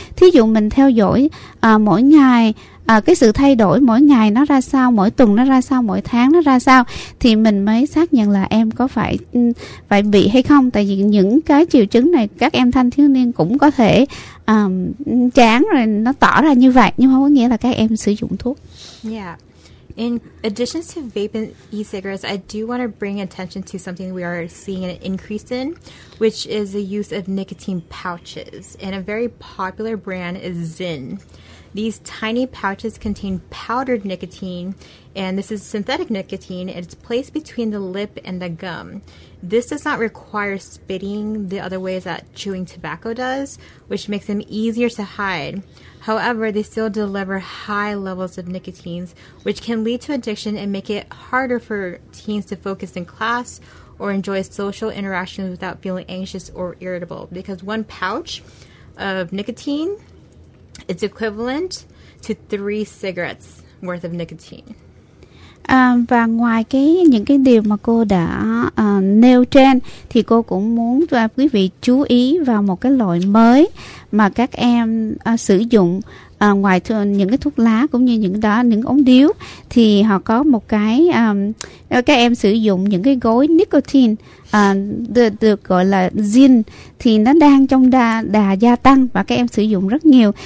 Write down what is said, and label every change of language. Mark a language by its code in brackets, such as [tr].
[vi] Thí dụ mình theo dõi mỗi ngày, cái sự thay đổi mỗi ngày nó ra sao, mỗi tuần nó ra sao, mỗi tháng nó ra sao, thì mình mới xác nhận là em có phải bị hay không. Tại vì những cái triệu chứng này các em thanh thiếu niên cũng có thể chán rồi nó tỏ ra như vậy, nhưng không có nghĩa là các em sử dụng thuốc. Yeah. [en] In addition to vape and e-cigarettes, I do want to bring attention to something we are seeing an increase in, which is the use of nicotine pouches. And a very popular brand is Zyn. These tiny pouches contain powdered nicotine, and this is synthetic nicotine. It's placed between the lip and the gum. This does not require spitting the other ways that chewing tobacco does, which makes them easier to hide. However, they still deliver high levels of nicotine, which can lead to addiction and make it harder for teens to focus in class or enjoy social interactions without feeling anxious or irritable. Because one pouch of nicotine, it's equivalent to 3 cigarettes worth of nicotine. [vi] Và ngoài những cái điều mà cô đã nêu trên, thì cô cũng muốn cho quý vị chú ý vào một cái loại mới mà các em sử dụng ngoài những cái thuốc lá cũng như những ống điếu, thì họ có một cái các em sử dụng những cái gói nicotine được gọi là Zyn, thì nó đang trong đà gia tăng và các em sử dụng rất nhiều.